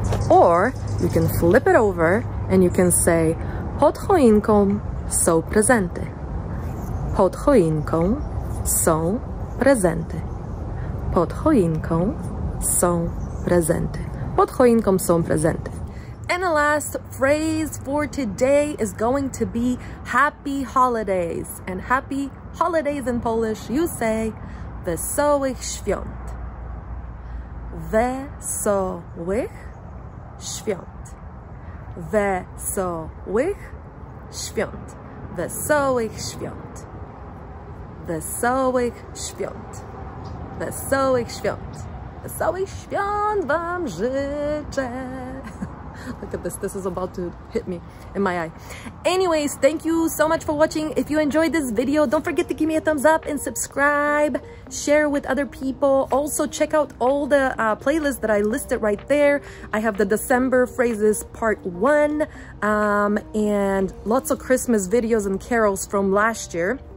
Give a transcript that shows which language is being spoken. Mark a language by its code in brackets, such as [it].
[en] Or you can flip it over and you can say [pl] pod choinką są prezenty. Pod choinką są prezenty. Pod choinką są prezenty. Pod choinką są prezenty. [en] And the last phrase for today is going to be happy holidays. And happy holidays in Polish, you say [pl] Wesołych Świąt. Wesołych Świąt. Wesołych Świąt. Wesołych Świąt. Wesołych Świąt. Wesołych Świąt. Wesołych Świąt Wam życzę. [en] Look at this. This is about to hit me in my eye. Anyways, thank you so much for watching. If you enjoyed this video, don't forget to give me a thumbs up and subscribe. Share with other people. Also, check out all the playlists that I listed right there. I have the December phrases part one and lots of Christmas videos and carols from last year.